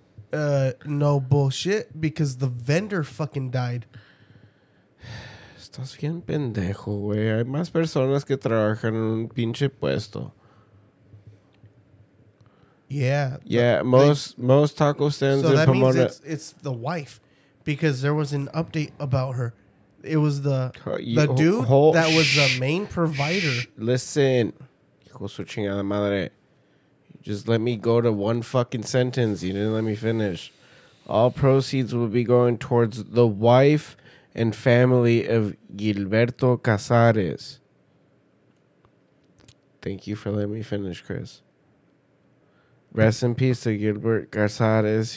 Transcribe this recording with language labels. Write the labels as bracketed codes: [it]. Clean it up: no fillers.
[en] No bullshit, because the vendor fucking died. [es] Estás bien pendejo, güey. Hay más personas que trabajan en un pinche puesto. [en] Yeah, most taco stands so in Pomona. So that means it's the wife, because there was an update about her. It was the main provider. Listen, [es] hijo su chingada madre. [en] Just let me go to one fucking sentence. You didn't let me finish. All proceeds will be going towards the wife and family of Gilberto Casares. Thank you for letting me finish, Chris. Rest in peace to Gilbert Casares.